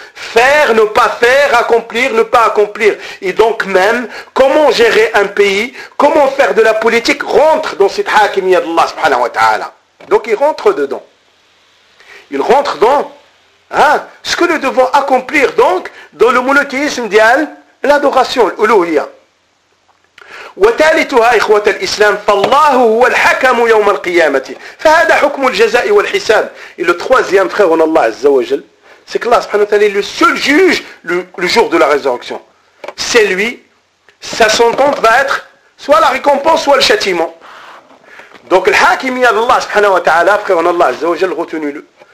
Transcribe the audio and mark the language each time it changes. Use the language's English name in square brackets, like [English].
[French] Faire, ne pas faire, accomplir, ne pas accomplir. Et donc même, comment gérer un pays, comment faire de la politique, rentre dans cette hakimiyya d'Allah subhanahu wa ta'ala. Donc il rentre dedans. Il rentre dans ce que nous devons accomplir donc dans le monothéisme d'Al, l'adoration, l'ulouhiyya. [Arabic] وثالثها إخوة الإسلام فالله هو الحكم يوم القيامة فهذا حكم الجزاء والحساب. [French] Et le troisième, frère en Allah Azza wa Jal, c'est que Allah subhanahu wa ta'ala est le seul juge le jour de la résurrection. C'est lui, sa sentence va être soit la récompense soit le châtiment. Donc le hakimiyya d'Allah subhanahu wa ta'ala, frère en Allah Azza wa Jal, retenez-le.